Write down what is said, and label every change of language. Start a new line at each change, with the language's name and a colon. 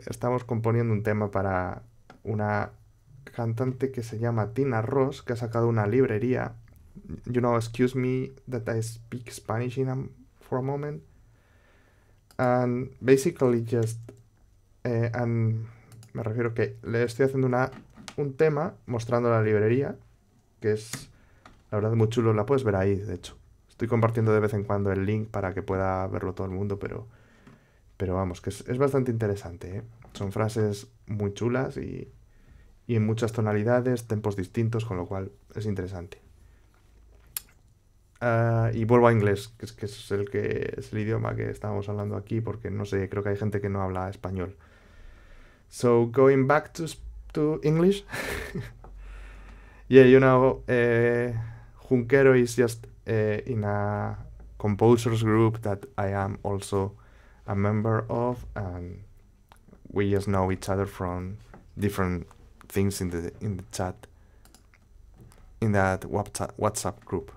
Spanish: Estamos componiendo un tema para una cantante que se llama Tyna Ros, que ha sacado una librería.
English: You know, excuse me that I speak Spanish in for a moment. And basically just... and
Spanish: me refiero que le estoy haciendo un tema mostrando la librería, que es... La verdad, muy chulo, la puedes ver ahí, de hecho. Estoy compartiendo de vez en cuando el link para que pueda verlo todo el mundo, pero vamos, que es bastante interesante, ¿eh? Son frases muy chulas y en muchas tonalidades, tempos distintos, con lo cual es interesante. Y vuelvo a inglés, que es el idioma que estábamos hablando aquí, porque no sé, creo que hay gente que no habla español.
English: So, going back to English. Yeah, you know, Junquero is just in a composers group that I am also a member of, and we just know each other from different things in the chat, in that WhatsApp group.